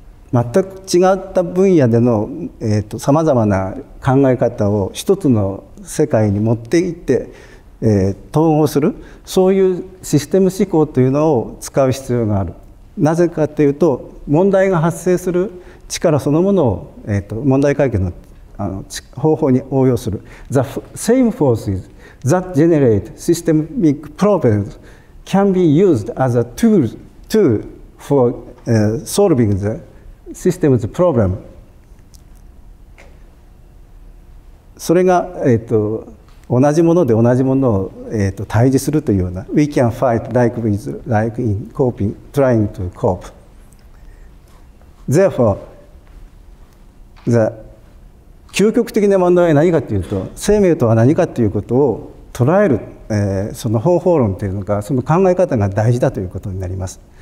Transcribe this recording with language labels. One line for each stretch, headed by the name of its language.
Japanese: 全く違った分野での、さまざまな考え方を一つの世界に持っていって、統合する、そういうシステム思考というのを使う必要がある。なぜかというと、問題が発生する力そのものを、問題解決 の方法に応用する。
English: The same forces that generate systemic problems can be used as a tool for solving the system's problem.
Japanese: それが、同じもので同じものを、対峙するというような。
English: We can fight like with like in coping, trying to cope. Therefore,The
Japanese: 究極的な問題は何かというと、生命とは何かということを捉える、その方法論というのか、その考え方が大事だということになります。